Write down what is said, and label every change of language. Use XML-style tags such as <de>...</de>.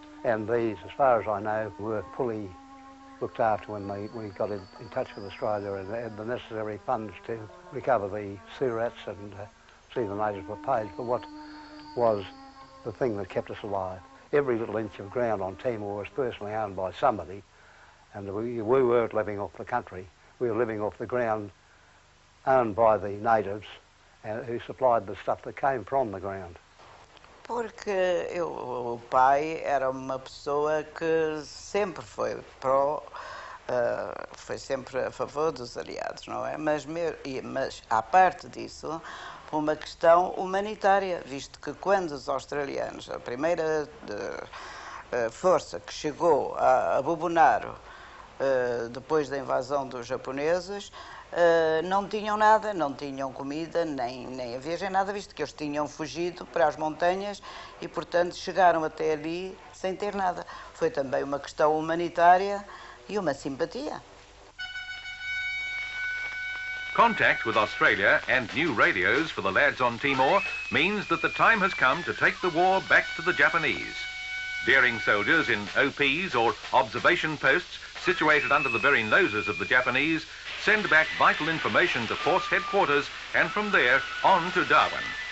<en>And these, as far as I know, were fully looked after when we got in touch with Australia and had the necessary funds to recover the surets and see the natives were paid for what was the thing that kept us alive. Every little inch of ground on Timor was personally owned by somebody. And we weren't living off the country. We were living off the ground owned by the natives and who supplied the stuff that came from the ground.</en> <pt>Porque eu, o pai era uma pessoa que sempre foi pró, foi sempre a favor dos aliados, não é? Mas à parte disso, por uma questão humanitária, visto que quando os australianos, a primeira força que chegou a Bobonaro, depois da invasão dos japoneses, não tinham nada, não tinham comida, nem havia nada, visto que eles tinham fugido para as montanhas e, portanto, chegaram até ali sem ter nada. Foi também uma questão humanitária e uma simpatia.</pt> <en>Contact with Australia and new radios for the lads on Timor means that the time has come to take the war back to the Japanese. Daring soldiers in OPs or observation posts situated under the very noses of the Japanese send back vital information to force headquarters and from there on to Darwin.</en>